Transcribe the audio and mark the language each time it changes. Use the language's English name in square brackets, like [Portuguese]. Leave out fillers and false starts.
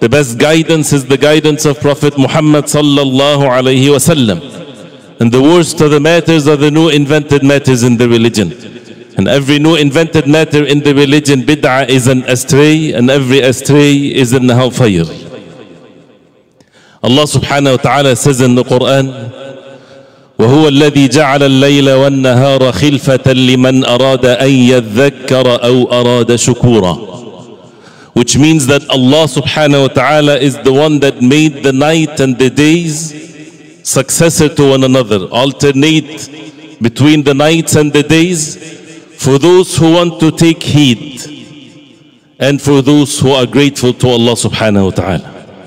[English] The best guidance is the guidance of Prophet Muhammad sallallahu alayhi wa sallam. And the worst of the matters are the new invented matters in the religion. And every new invented matter in the religion, bid'ah, is an astray, and every astray is in the hellfire. [Arabic] Allah subhanahu wa ta'ala [English] says in the Quran, [Arabic] وَهُوَ الَّذِي جَعَلَ اللَّيْلَ وَالنَّهَارَ خِلْفَةً لِمَنْ أَرَادَ أَنْ يَذَّكَّرَ أَوْ أَرَادَ شُكُورًا. [English] Which means that Allah subhanahu wa ta'ala is the one that made the night and the days successor to one another, alternate between the nights and the days, for those who want to take heed and for those who are grateful to Allah subhanahu wa ta'ala.